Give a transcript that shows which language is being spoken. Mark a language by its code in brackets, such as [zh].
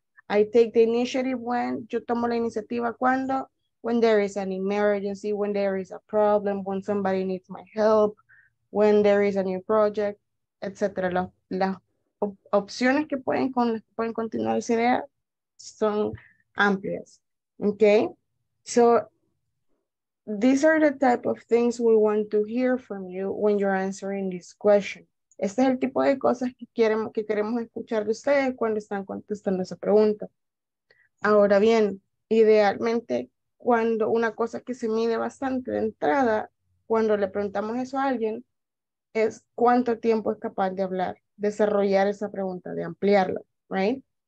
[en] I take the initiative when, [es] yo tomo la iniciativa cuando, [en] when there is an emergency, when there is a problem, when somebody needs my help, when there is a new project, etcétera. [es] Las opciones que pueden continuar esa idea son amplias. Okay. So [en] These are the type of things we want to hear from you when you're answering this question. [es] Este es el tipo de cosas que queremos escuchar de ustedes cuando están contestando esa pregunta. Ahora bien, idealmente, cuando una cosa que se mide bastante de entrada, cuando le preguntamos eso a alguien, es cuánto tiempo es capaz de hablar, desarrollar esa pregunta, de ampliarlo, [en] right?